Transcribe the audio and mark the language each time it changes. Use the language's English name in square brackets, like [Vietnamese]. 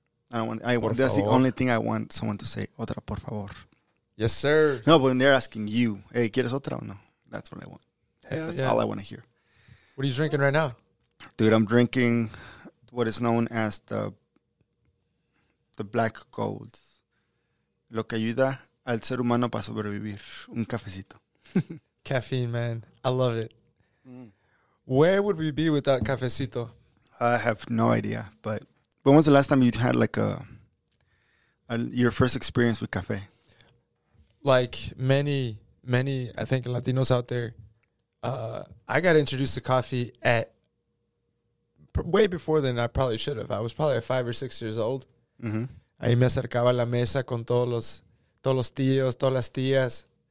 [English] The only thing I want someone to say. [Spanish] Otra, por favor. [English] Yes, sir. No, but when they're asking you, hey, [Spanish] ¿quieres otra o no? [English] That's what I want. All I want to hear. What are you drinking right now? Dude, I'm drinking what is known as the Black Gold. [Spanish] Lo que ayuda al ser humano para sobrevivir. Un cafecito. [English] Caffeine, man. I love it. Where would we be without cafecito? I have no idea. But when was the last time you had like your first experience with café? Like many, many, I think, Latinos out there, I got introduced to coffee at way before than I probably should have. I was probably 5 or 6 years old. [Spanish] Ahí me acercaba a la mesa con todos los tíos, todas las tías.